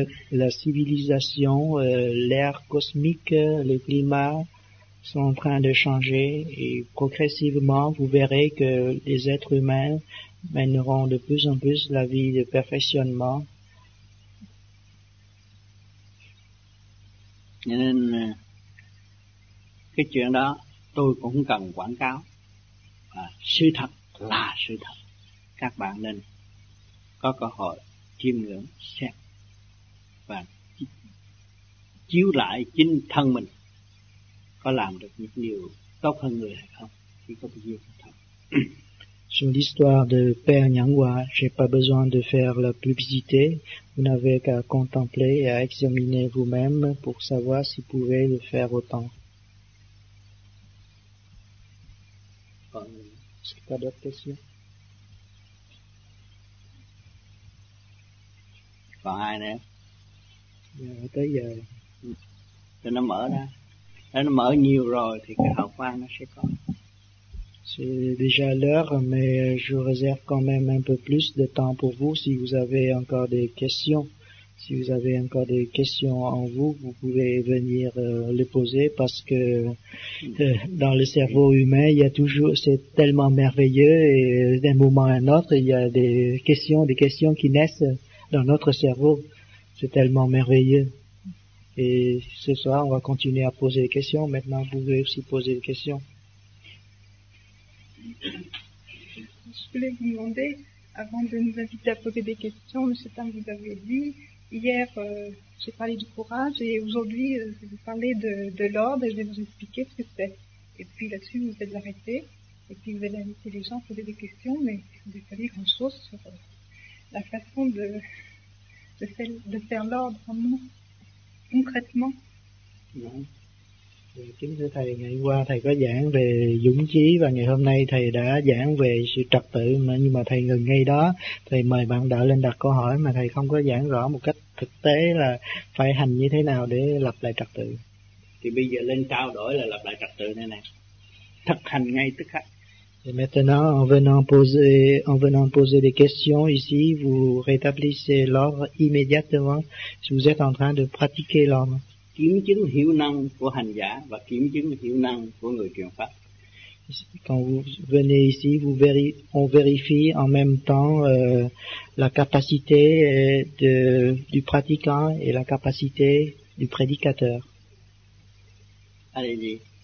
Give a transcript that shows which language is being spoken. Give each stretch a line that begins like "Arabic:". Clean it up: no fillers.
French: La civilisation, l'air cosmique, le climat sont en train de changer et progressivement vous verrez que les êtres humains mèneront de plus en plus la vie de perfectionnement.
Vietnamese: Nên, cái chuyện đó tôi cũng cần quảng cáo. À, sự thật là sự thật. Các bạn nên có cơ hội chiêm ngưỡng xem và chiếu lại chính thân mình có làm được những điều tốt hơn người hay không, chỉ có cái duyên thôi.
French: Sur l'histoire de Père Nyawa, j'ai pas besoin de faire la publicité. Vous n'avez qu'à contempler et à examiner vous-même pour savoir si vous pouvez le faire autant. Est-ce qu'il y a d'autres questions?
Vietnamese: Còn ai nữa? Tới giờ thì nó mở ra, thì nó mở nhiều rồi thì cái hào quang nó sẽ có.
French: C'est déjà l'heure, mais je réserve quand même un peu plus de temps pour vous. Si vous avez encore des questions, si vous avez encore des questions en vous, vous pouvez venir les poser, parce que dans le cerveau humain, il y a toujours, c'est tellement merveilleux, et d'un moment à un autre, il y a des questions qui naissent dans notre cerveau. C'est tellement merveilleux. Et ce soir, on va continuer à poser des questions. Maintenant, vous pouvez aussi poser des questions. Je voulais vous demander, avant de nous inviter à poser des questions, monsieur Tang, vous avez dit, hier, j'ai parlé du courage, et aujourd'hui, je vais vous parler de l'ordre, et je vais vous expliquer ce que c'est. Et puis là-dessus, vous êtes arrêté, et puis vous allez inviter les gens à poser des questions, mais vous n'avez pas dit grand-chose sur la façon de faire l'ordre en nous, concrètement. Non.
Vietnamese: Kính thưa thầy, ngày qua thầy có giảng về dũng chí và ngày hôm nay thầy đã giảng về sự trật tự, nhưng mà thầy ngừng ngay đó. Thầy mời bạn đạo lên đặt câu hỏi mà thầy không có giảng rõ một cách thực tế là phải hành như thế nào để lập lại trật tự. Thì bây giờ lên trao đổi là lập lại trật tự này nè. Thực hành ngay tức khắc.
French: Et maintenant, en venant poser des questions ici, vous rétablissez l'ordre immédiatement si vous êtes en train de pratiquer l'ordre.
Vietnamese: Kiểm chứng hiệu năng của hành giả và kiểm chứng hiệu năng của người truyền pháp.
French: Quand vous venez ici, on vérifie en même temps la capacité du pratiquant et la capacité du prédicateur. Allez-y.